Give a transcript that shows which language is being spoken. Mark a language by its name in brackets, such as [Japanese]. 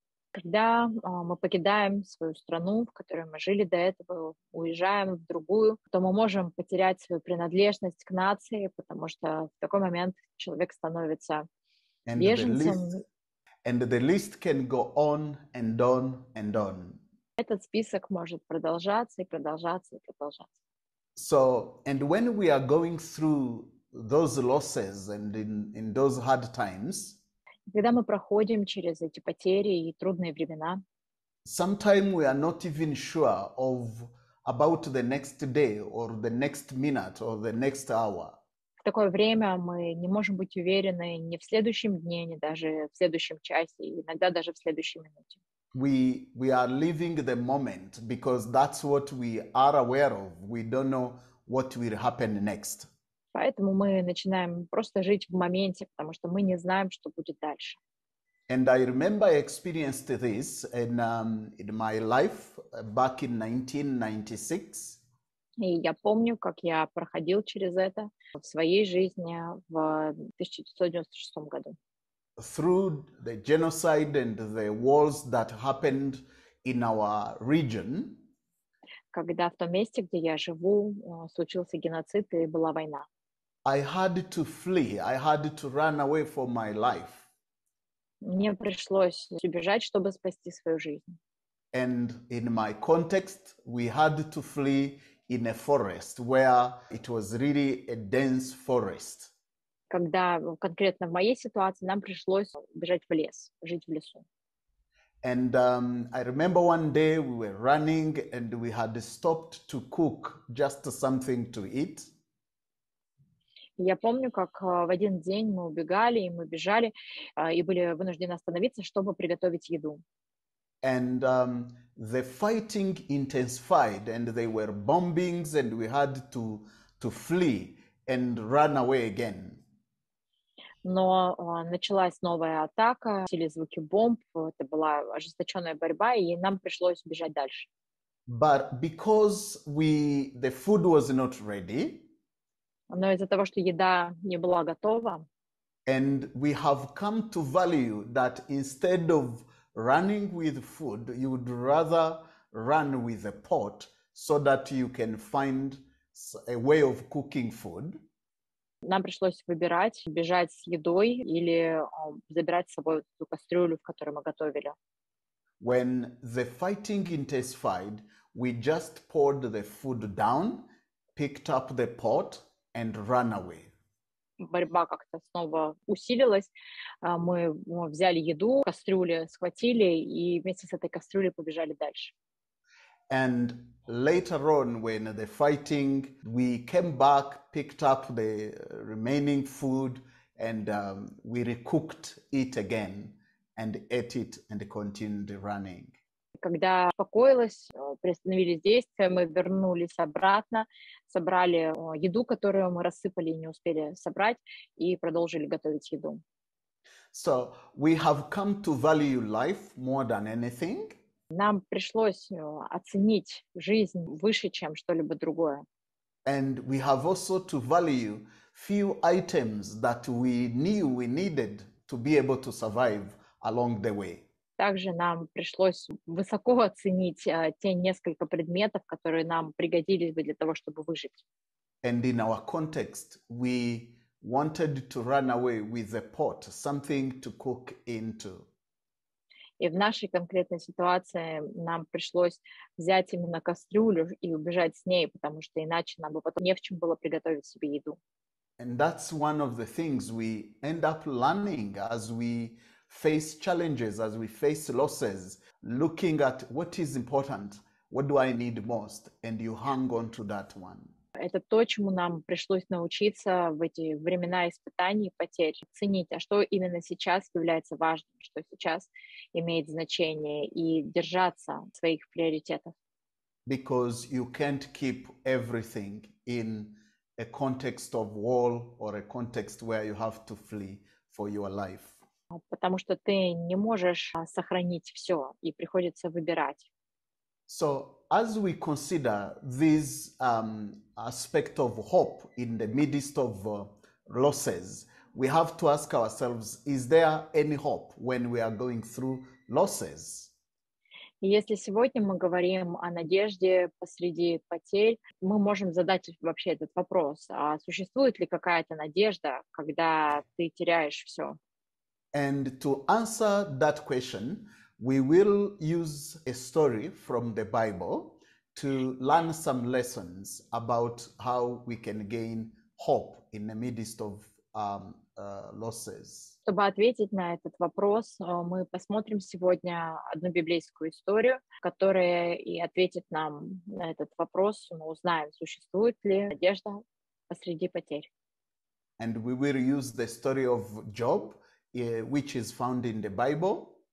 [Russian] Когда мы покидаем свою страну, в которой мы жили до этого, уезжаем в другую, то мы можем потерять свою принадлежность к нации, потому что в такой момент человек становится беженцем. [English] And the list can go on and on and on. [Russian] Этот список может продолжаться и продолжаться и продолжаться. [English] So, and when we are going through those losses and in those hard times, [Russian] когда мы проходим через эти потери и трудные времена, [English] sometimes we are not even sure of about the next day or the next minute or the next hour. [Russian] В такое время мы не можем быть уверены ни в следующем дне, ни даже в следующем часе, иногда даже в следующей минуте. [English] We are living the moment because that's what we are aware of. We don't know what will happen next. [Russian] Поэтому мы начинаем просто жить в моменте, потому что мы не знаем, что будет дальше. [English] And I remember I experienced this in my life back in 1996. [Russian] И я помню, как я проходил через это в своей жизни в 1996 году. [English] Through the genocide and the wars that happened in our region. [Russian] Когда в том месте, где я живу, случился геноцид и была война. [English] I had to flee. I had to run away for my life. [Russian] Мне пришлось убежать, чтобы спасти свою жизнь. [English] And in my context, we had to flee in a forest where it was really a dense forest. [Russian] Когда конкретно в моей ситуации нам пришлось бежать в лес, жить в лесу. [English] And I remember one day we were running and we had stopped to cook just something to eat. [Russian] Я помню, как в один день мы убегали, и мы бежали, и были вынуждены остановиться, чтобы приготовить еду. [English] And the fighting intensified, and there were bombings, and we had to flee and run away again. [Russian] Но началась новая атака, были звуки бомб, это была ожесточенная борьба, и нам пришлось бежать дальше. [English] But because the food was not ready, [Russian] но из-за того, что еда не была готова, [English] and we have come to value that instead of running with food, you would rather run with a pot so that you can find a way of cooking food. [Russian] Нам пришлось выбирать, бежать с едой или забирать с собой ту кастрюлю, в которой мы готовили. [English] When the fighting intensified, we just poured the food down, picked up the pot, and run away. [Russian] Борьба как-то снова усилилась. Мы взяли еду, кастрюли схватили и вместе с этой кастрюлей побежали дальше. [English] And later on, when the fighting, we came back, picked up the remaining food, and we recooked it again, and ate it, and continued running. [Russian] Когда успокоилось, приостановились действия, мы вернулись обратно, собрали еду, которую мы рассыпали и не успели собрать, и продолжили готовить еду. [English] So we have come to value life more than anything. [Russian] Нам пришлось оценить жизнь выше, чем что-либо другое. [English] And we have also to value few items that we knew we needed to be able to survive along the way. [Russian] Также нам пришлось высоко оценить те несколько предметов, которые нам пригодились бы для того, чтобы выжить. [English] And in our context, we wanted to run away with a pot, something to cook into. [Russian] И в нашей конкретной ситуации нам пришлось взять именно кастрюлю и убежать с ней, потому что иначе нам бы потом не в чем было приготовить себе еду. [English] And that's one of the things we end up learning as we face challenges, as we face losses, looking at what is important, what do I need most, and you hang on to that one. [Russian] Это то, чему нам пришлось научиться в эти времена испытаний и потерь. Ценить, а что именно сейчас является важным, что сейчас имеет значение, и держаться своих приоритетов. [English] Because you can't keep everything in a context of war or a context where you have to flee for your life. [Russian] Потому что ты не можешь сохранить все, и приходится выбирать. [English] So as we consider this aspect of hope in the midst of losses, we have to ask ourselves, is there any hope when we are going through losses? [Russian] Если сегодня мы говорим о надежде посреди потерь, мы можем задать вообще этот вопрос, а существует ли какая-то надежда, когда ты теряешь все? [English] And to answer that question, we will use a story from the Bible to learn some lessons about how we can gain hope in the midst of losses. [Russian] Чтобы ответить на этот вопрос, мы посмотрим сегодня одну библейскую историю, которая и ответит нам на этот вопрос. Мы узнаем, существует ли надежда посреди потерь. [English] And we will use the story of Job, which is found in the Bible.